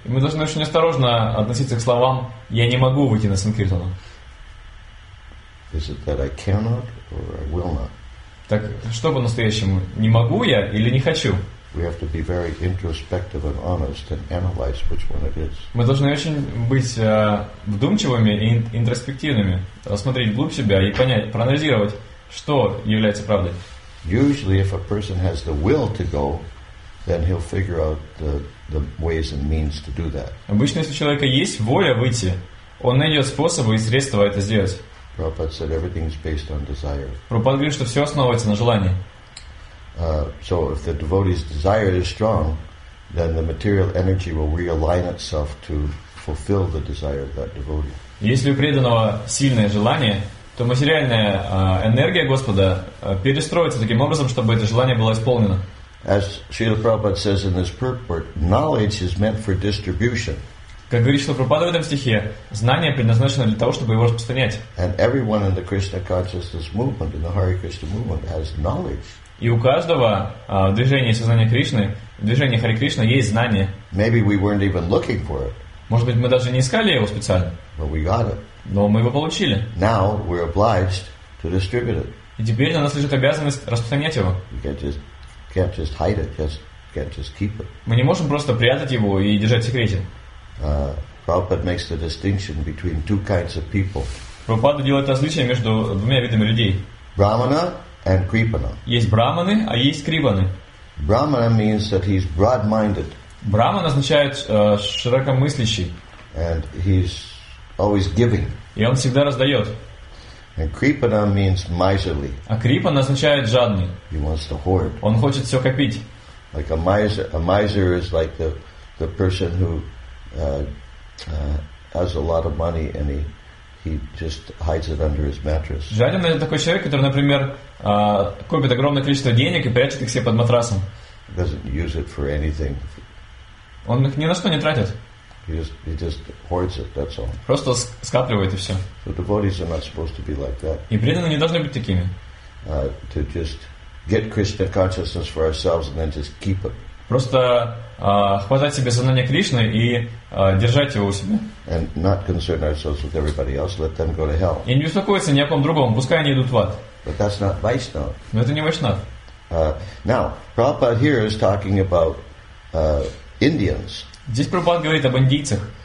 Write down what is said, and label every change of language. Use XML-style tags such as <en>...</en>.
<ru>Мы должны очень осторожно относиться к словам «я не могу выйти на санкиртану».</ru> <en>Is it that I cannot or I will not?</en> <ru>Так что по-настоящему, не могу я или не хочу?</ru> <en>We have to be very introspective and honest and analyze which one it is.</en> <ru>Мы должны очень быть вдумчивыми и интроспективными, рассмотреть глубь себя и понять, проанализировать, что является правдой.</ru> <en>Usually, if a person has the will to go, then he'll figure out the ways and means to do that.</en> <ru>Обычно, если у человека есть воля выйти, он найдет способы и средства это сделать.</ru> <en>Prabhupada said everything is based on desire.</en> <ru>Прабхупада говорит, что все основывается на желании.</ru> <en>So if the devotee's desire is strong, then the material energy will realign itself to fulfill the desire of that devotee.</en> <ru>Если у преданного сильное желание, то материальная энергия Господа перестроится таким образом, чтобы это желание было исполнено.</ru> <en>As Srila Prabhupada says in this purport, knowledge is meant for distribution.</en> <ru>Как говорит Шрила Прабхупада в этом стихе, знание предназначено для того, чтобы его распространять.</ru> <en>And everyone in the Krishna consciousness movement, in the Hare Krishna movement, has knowledge.</en> <ru>И у каждого в движении сознания Кришны, в движении Харе Кришна есть знание.</ru> <en>Maybe we weren't even looking for it.</en> <ru>Может быть, мы даже не искали его специально.</ru> <en>But we got it.</en> <ru>Но мы его получили.</ru> <en>Now we're obliged to distribute it.</en> <ru>И теперь на нас лежит обязанность распространять его.</ru> <en>We can't just hide it, can't just keep it.</en> <ru>Мы не можем просто прятать его и держать в секрете.</ru> <en>Prabhupada makes the distinction between two kinds of people.</en> <ru>Прабхупада делает различие между двумя видами людей.</ru> <en>Brahmana and Kripana.</en> <ru>Есть брахманы, а есть крипаны.</ru> <en>Brahmana means that he's broad-minded.</en> <ru>Брахман означает широкомыслящий.</ru> <en>And he's always giving.</en> <ru>И он всегда раздает.</ru> <en>And Kripana means miserly.</en> <ru>А крипан означает жадный.</ru> <en>He wants to hoard.</en> <ru>Он хочет все копить.</ru> <en>Like a miser is like the person who has a lot of money and he just hides it under his mattress.</en> <ru>Жадный — это такой человек, который, например, копит огромное количество денег и прячет их все под матрасом.</ru> <en>He doesn't use it for anything.</en> <ru>Он их ни на что не тратит.</ru> <en>He just hoards it, that's all.</en> <ru>Просто скапливает и все.</ru> <en>So devotees are not supposed to be like that.</en> <ru>И преданные не должны быть такими.</ru> <en>To just get Krishna consciousness for ourselves and then just keep it.</en> <ru>Просто хватать себе сознание Кришны и держать его у себя.</ru> <en>And not concern ourselves with everybody else, let them go to hell.</en> <ru>И не беспокоиться ни о ком другом, пускай они идут в ад.</ru> <en>But that's not Vaishnava.</en> <ru>Но это не Вайшнав.</ru> <en>Now, Prabhupada here is talking about Indians.</en> <ru>Здесь Прабхупада говорит об индийцах.</ru>